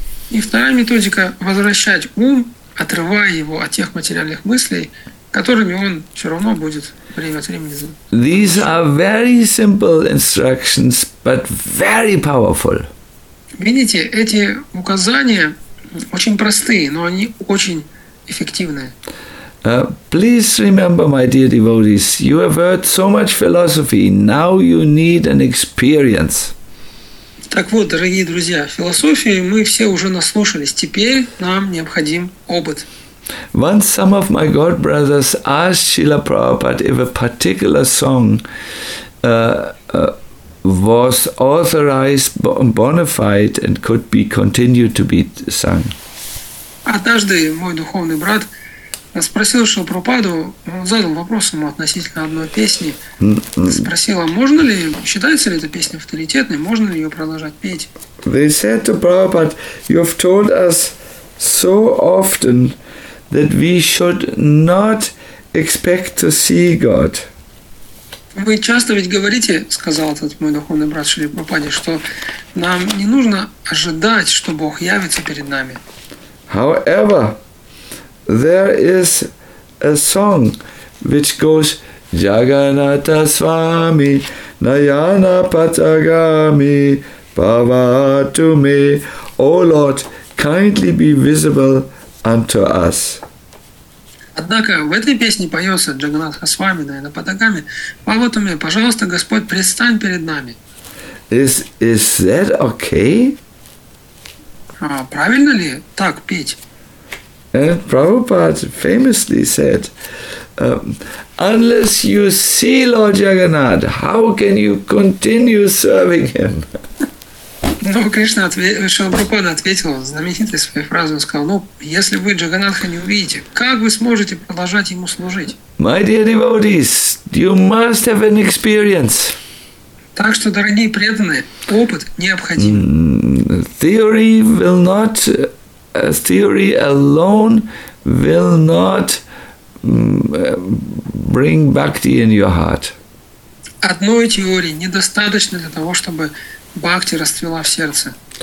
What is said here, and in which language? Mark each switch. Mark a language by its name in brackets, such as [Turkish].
[Russian] И вторая методика – возвращать ум, отрывая его от тех материальных мыслей, которыми он все равно будет время от времени заниматься. [English] These are very simple instructions, but very powerful. [Russian] Видите, эти указания очень простые, но они очень эффективные. [English] Please remember, my dear devotees, you have heard so much philosophy, now you need an experience. [Russian] Так вот, дорогие друзья, философии мы все уже наслушались, теперь нам необходим опыт. [English] Once some of my god brothers asked Srila Prabhupada if a particular song was authorized, bona fide, and could be continued to be sung. [Russian] Однажды мой духовный брат спросил Шрилу Прабхупаду, он задал вопрос ему относительно одной песни, спросил, а можно ли, считается ли эта песня авторитетной, можно ли ее продолжать петь? [English] They said to Prabhupada, you've told us so often that we should not expect to see God. [Russian] Вы часто ведь говорите, сказал этот мой духовный брат Шрилу Прабхупаде, что нам не нужно ожидать, что Бог явится перед нами. [English] However, there is a song which goes [Sanskrit] Jagannatha Swami Nayana Patagami Bhavatu Me, [English] O Lord, kindly be visible unto us. [Russian] Однако в этой песне поется [Sanskrit] Джаганнатха Свами Наяна Патагами Бхавату Ме, [Russian] пожалуйста, Господь, предстань перед нами. [English] Is that okay? [Russian] Правильно ли так петь? [English] And Prabhupada famously said, unless you see Lord Jagannath, how can you continue serving him? [Russian] Ну, конечно, Шрила Прабхупада ответил знаменитой своей фразой, он сказал, ну, если вы Джаганнатха не увидите, как вы сможете продолжать ему служить? [English] My dear devotees, you must have an experience. [Russian] Так что, дорогие преданные, опыт необходим. [English] Theory will not... Theory alone will not bring bhakti in your heart. [Russian] Одной теории недостаточно для того, чтобы бхакти расцвела в сердце.